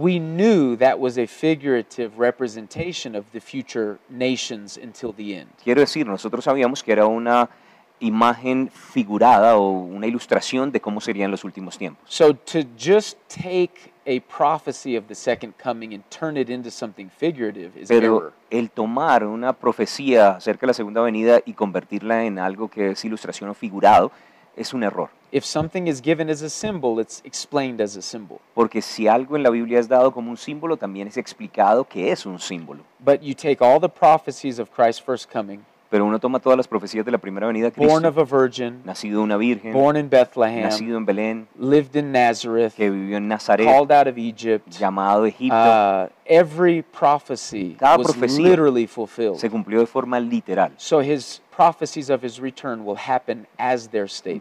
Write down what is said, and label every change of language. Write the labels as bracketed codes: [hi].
[en] We knew that was a figurative representation of the future nations until the end. [es] Quiero decir, nosotros sabíamos que era una imagen figurada o una ilustración de cómo serían los últimos tiempos. [en] So to just take a prophecy of the second coming and turn it into something figurative is error. [es] Pero el tomar una profecía acerca de la segunda venida y convertirla en algo que es ilustración o figurado es un error. [en] If something is given as a symbol, it's explained as a symbol. [es] Porque si algo en la Biblia es dado como un símbolo, también es explicado que es un símbolo. [en] But you take all the prophecies of Christ's first coming. [es] Pero uno toma todas las profecías de la primera venida de Cristo. [en] Born of a virgin, [es] nacido de una virgen. [en] Born in Bethlehem, [es] nacido en Belén. [en] Lived in Nazareth, [es] que vivió en Nazaret. [en] Called out of Egypt, [es] llamado Egipto. [en] Every prophecy [es] cada [en] was literally fulfilled. [es] Se cumplió de forma literal. [en] So his prophecies of his return will happen as they're stated.